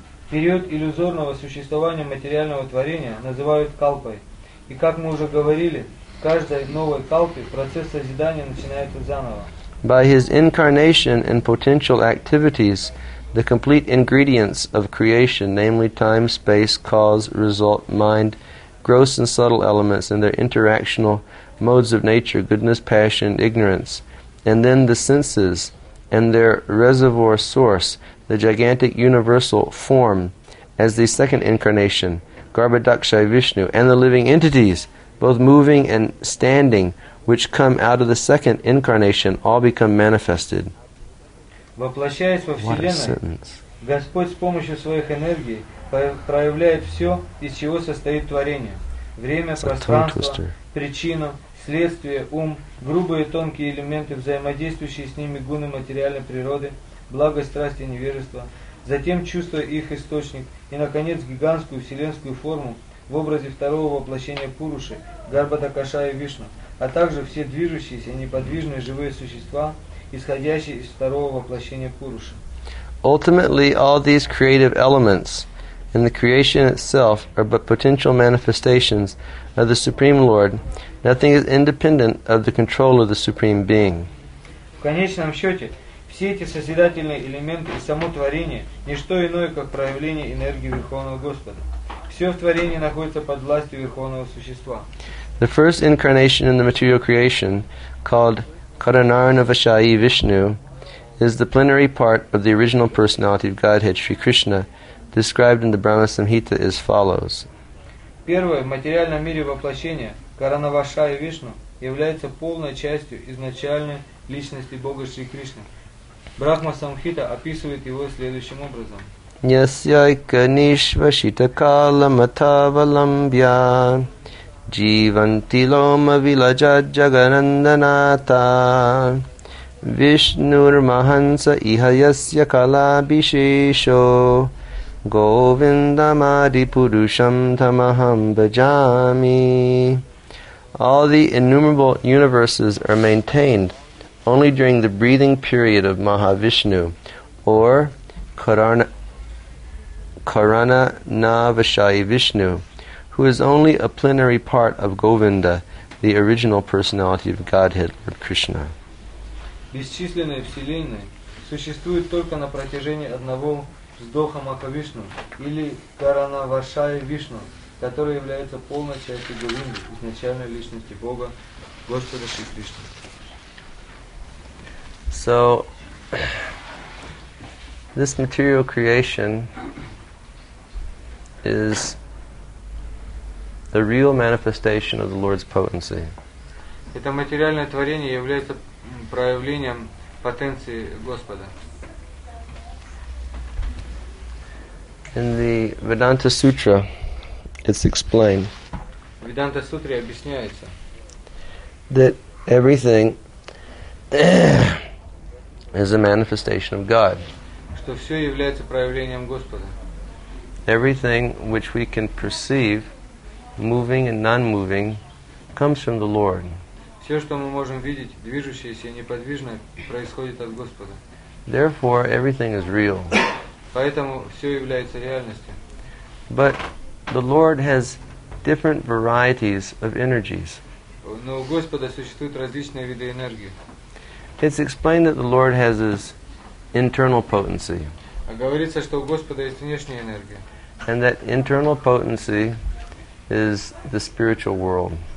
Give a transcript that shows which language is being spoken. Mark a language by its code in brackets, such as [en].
[ru] Период иллюзорного существования материального творения называют калпой. И как мы уже говорили, в каждой новой калпе процесс созидания начинается заново. [en] By his incarnation and potential activities, the complete ingredients of creation, namely time, space, cause, result, mind, gross and subtle elements and their interactional modes of nature, goodness, passion, ignorance, and then the senses and their reservoir source, the gigantic universal form as the second incarnation, Garbhadakshaya Vishnu, and the living entities, both moving and standing, which come out of the second incarnation, all become manifested. [ru] Воплощаясь во Вселенной, Господь с помощью своих энергий проявляет все, из чего состоит творение. Время, пространство, причину, следствие, ум, грубые тонкие элементы, взаимодействующие с ними гуны материальной природы, благость, страсть и невежество, затем чувство их источник и, наконец, гигантскую вселенскую форму в образе второго воплощения Пуруши, Гарбхадакашая Вишну, а также все движущиеся и неподвижные живые существа, исходящие из второго воплощения Пуруши. [en] Ultimately, all these creative elements in the creation itself are but potential manifestations of the Supreme Lord. Nothing is independent of the control of the Supreme Being. [ru] В конечном счете, все эти созидательные элементы и само творение – ничто иное, как проявление энергии Верховного Господа. Все в творении находится под властью Верховного Существа. [en] The first incarnation in the material creation, called Karanarnavashayi Vishnu, is the plenary part of the original personality of Godhead Sri Krishna, described in the Brahma Samhita as follows. [ru] Первое в материальном мире воплощение Каранавашая Вишну является полной частью изначальной личности Бога Шри Кришны. Брахма Самхита описывает его следующим образом. [sa] Nyasyaika nishvashita kalamatavalambhya Jivantiloma vilajat jagannandanata Vishnur mahansa ihayasya kalabhishesho Govindamadi purusham tamaham bhajami. [en] All the innumerable universes are maintained only during the breathing period of Mahavishnu, or Karana Navashai Vishnu, who is only a plenary part of Govinda, the original personality of Godhead, Lord Krishna. [ru] Бесчисленные вселенные существуют только на протяжении одного вздоха Махавишну или Каранавашай Вишну, который является полной частью Говинды, изначальной личности Бога, Господа Шри Кришны. [en] So, this material creation is the real manifestation of the Lord's potency. [ru] Это материальное творение является проявлением потенции Господа. [en] In the Vedanta Sutra, it's explained. [ru] В Веданта Сутре объясняется. [en] That everything is a manifestation of God. [ru] Что все является проявлением Господа. [en] Everything which we can perceive, moving and non-moving, comes from the Lord. [ru] Все, что мы можем видеть, движущееся и неподвижное, происходит от Господа. [en] Therefore, everything is real. [ru] Поэтому все является реальностью. [en] But the Lord has different varieties of energies. [ru] Но у Господа существуют различные виды энергии. [en] It's explained that the Lord has His internal potency. [ru] А говорится, что у Господа есть внешняя энергия. [en] And that internal potency is the spiritual world.